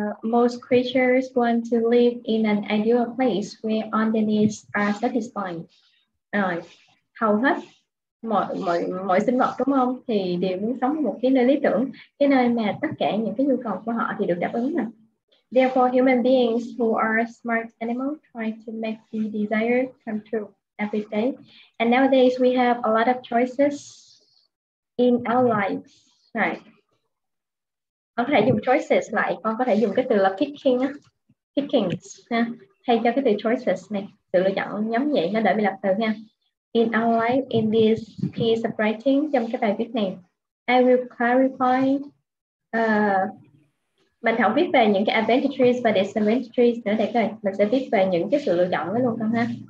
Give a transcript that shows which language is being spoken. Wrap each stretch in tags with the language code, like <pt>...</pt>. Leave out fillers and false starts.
<en>Most creatures want to live in an ideal place where all the needs are satisfied.</en> <vi>Rồi, hầu hết mọi sinh vật đúng không thì đều muốn sống một cái nơi lý tưởng, cái nơi mà tất cả những cái nhu cầu của họ thì được đáp ứng nè.</vi> <en>Therefore, human beings who are smart animals try to make the desire come true every day. And nowadays we have a lot of choices in our lives. Right.</en> <vi>Con có thể dùng choices lại, con có thể dùng cái từ là picking, pickings, ha? Thay cho cái từ choices này, sự lựa chọn nhóm vậy, nó đỡ bị lặp từ nha.</vi> <en>In our life, in this piece of writing,</en> <vi>trong cái bài viết này,</vi> <en>I will clarify,</en> <vi>mình không viết về những cái advantages và disadvantages nữa thầy coi, mình sẽ viết về những cái sự lựa chọn đó luôn con ha.</vi>